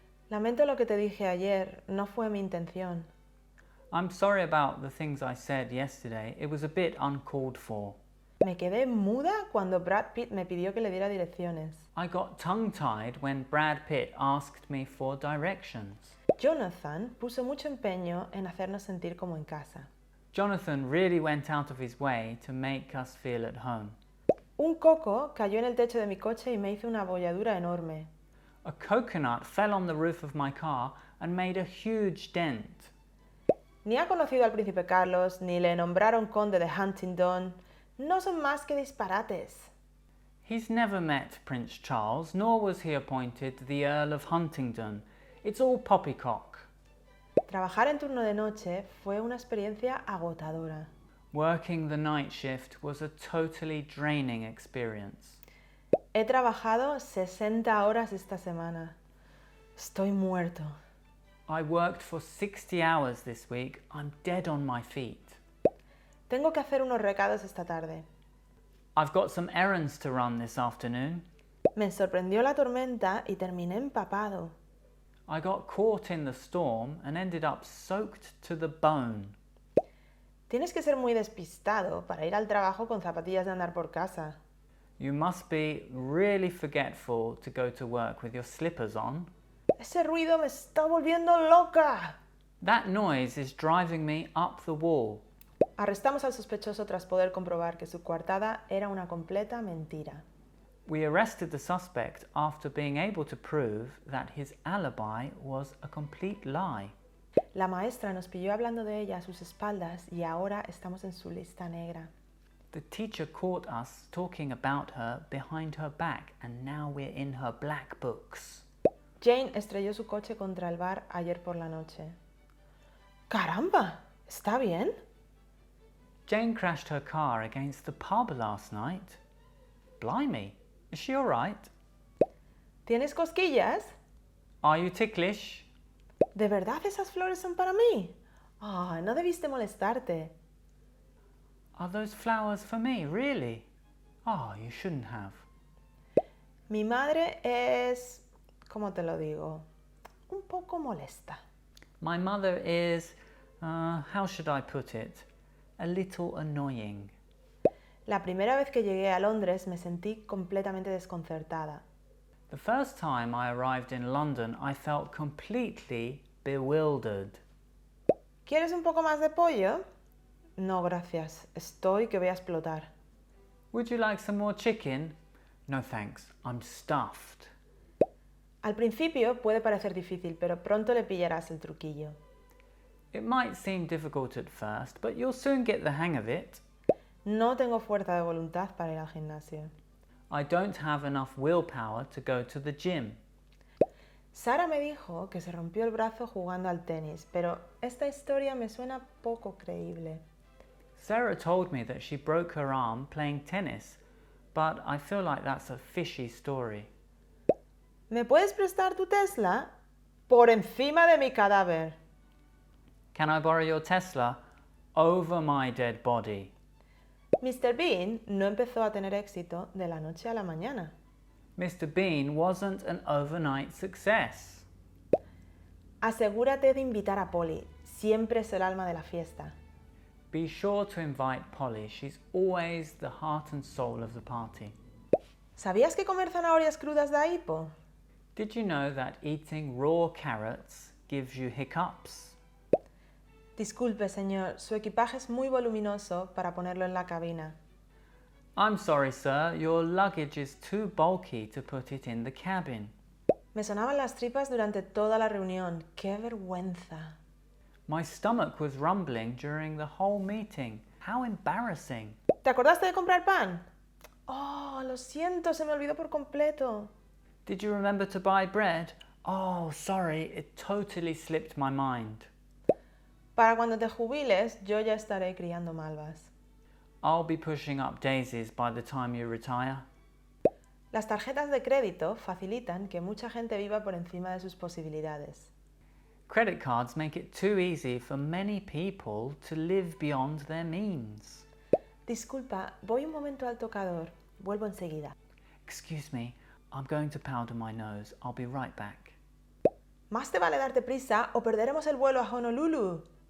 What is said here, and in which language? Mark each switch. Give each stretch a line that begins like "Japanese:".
Spanish: Lamento lo que te dije ayer, no fue mi intención.
English: I'm sorry about the things I said yesterday. It was a bit uncalled for.
Spanish: Me quedé muda cuando Brad Pitt me pidió que le diera direcciones.
English: I got tongue-tied when Brad Pitt asked me for directions.
Spanish: Jonathan puso mucho empeño en hacernos sentir como en casa.
English: Jonathan really went out of his way to make us feel at home.
Spanish: Un coco cayó en el techo de mi coche y me hizo una abolladura enorme.
English: A coconut fell on the roof of my car and made a huge dent.
Spanish: Ni ha conocido al príncipe Carlos, ni le nombraron conde de Huntingdon. No son más que disparates.
English: He's never met Prince Charles, nor was he appointed the Earl of Huntingdon. It's all poppycock.
Spanish: Trabajar en turno de noche fue una experiencia agotadora.
English: Working the night shift was a totally draining experience.
Spanish: He trabajado 60 horas esta semana. Estoy muerto.
English: I worked for 60 hours this week. I'm dead on my feet.
Spanish: Tengo que hacer unos recados esta tarde.
English: I've got some errands to run this afternoon.
Spanish: Me sorprendió la tormenta y terminé empapado.
English: I got caught in the storm and ended up soaked to the bone.
Spanish: Tienes que ser muy despistado para ir al trabajo con zapatillas de andar por casa.
English: You must be really forgetful to go to work with your slippers on.
Spanish: ¡Ese ruido me está volviendo loca!
English: That noise is driving me up the wall.
Spanish: Arrestamos al sospechoso tras poder comprobar que su coartada era una completa mentira.
English: We arrested the suspect after being able to prove that his alibi was a complete lie.
Spanish: La maestra nos pilló hablando de ella a sus espaldas y ahora estamos en su lista negra.
English: The teacher caught us talking about her behind her back and now we're in her black books.
Spanish: Jane estrelló su coche contra el bar ayer por la noche. ¡Caramba! ¿Está bien?
English: Jane crashed her car against the pub last night. Blimey, is she all right?
Spanish: ¿Tienes cosquillas?
English: Are you ticklish?
Spanish: ¿De verdad esas flores son para mí? Ah, no debiste molestarte.
English: Are those flowers for me, really? Ah, you shouldn't have.
Spanish: Mi madre es... ¿cómo te lo digo? Un poco molesta.
English: My mother is, how should I put it, a little annoying.
Spanish: La primera vez que llegué a Londres me sentí completamente desconcertada.
English: The first time I arrived in London, I felt completely bewildered.
Spanish: ¿Quieres un poco más de pollo? No, gracias. Estoy que voy a explotar.
English: Would you like some more chicken? No, thanks. I'm stuffed.
Spanish: Al principio puede parecer difícil, pero pronto le pillarás el truquillo.
English: It might seem difficult at first, but you'll soon get the hang of it.
Spanish: No tengo fuerza de voluntad para ir al gimnasio.
English: I don't have enough willpower to go to the gym.
Spanish: Sara me dijo que se rompió el brazo jugando al tenis, pero esta historia me suena poco creíble.
English: Sarah told me that she broke her arm playing tennis, but I feel like that's a fishy story.
Spanish: ¿Me puedes prestar tu Tesla? Por encima de mi cadáver.
English: Can I borrow your Tesla? Over my dead body. Mr.
Spanish: Bean no empezó a tener éxito de la noche a la mañana.
English: Mr. Bean wasn't an overnight success.
Spanish: Asegúrate de invitar a Polly. Siempre es el alma de la fiesta.
English: Be sure to invite Polly. She's always the heart and soul of the party.
Spanish: ¿Sabías que comer zanahorias crudas da hipo?
English: Did you know that eating raw carrots gives you hiccups?
Spanish: Disculpe, señor. Su equipaje es muy voluminoso para ponerlo en la cabina.
English: I'm sorry, sir. Your luggage is too bulky to put it in the cabin.
Spanish: Me sonaban las tripas durante toda la reunión. ¡Qué vergüenza!
English: My stomach was rumbling during the whole meeting. How embarrassing!
Spanish: ¿Te acordaste de comprar pan? ¡Oh, lo siento! Se me olvidó por completo.
English: Did you remember to buy bread? Oh, sorry, it totally slipped my mind.
Spanish: Para cuando te jubiles, yo ya estaré criando malvas.
English: I'll be pushing up daisies by the time you retire.
Spanish: Las tarjetas de crédito facilitan que mucha gente viva por encima de sus posibilidades.
English: Credit cards make it too easy for many people to live beyond their means.
Spanish: Disculpa, voy un momento al tocador. Vuelvo enseguida.
English: Excuse me. I'm going to powder my nose. I'll be right back.
Spanish: Más te vale darte prisa o perderemos el vuelo a Honolulu.